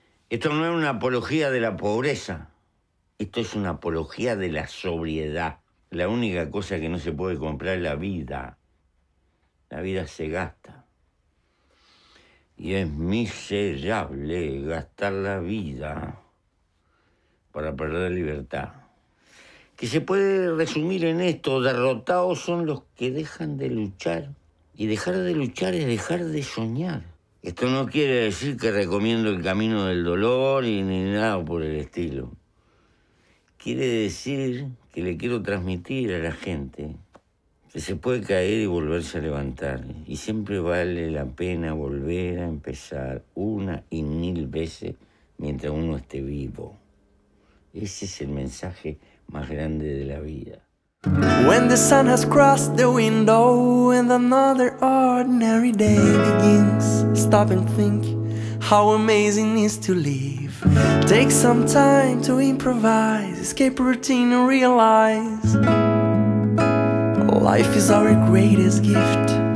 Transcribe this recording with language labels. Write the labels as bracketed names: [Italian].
[Portuguese] Isto não é uma apologia da pobreza, isto é uma apologia da sobriedade. A única coisa que não se pode comprar é a vida. A vida se gasta. E é miserável gastar a vida para perder a liberdade. [Spanish] Que se puede resumir en esto, derrotados son los que dejan de luchar. Y dejar de luchar es dejar de soñar. Esto no quiere decir que recomiendo el camino del dolor y ni nada por el estilo. Quiere decir que le quiero transmitir a la gente que se puede caer y volverse a levantar. Y siempre vale la pena volver a empezar una y mil veces mientras uno esté vivo. Ese es el mensaje más grande de la vida. [English] When the sun has crossed the window and another ordinary day begins, stop and think how amazing it is to live. Take some time to improvise, escape routine and realize life is our greatest gift.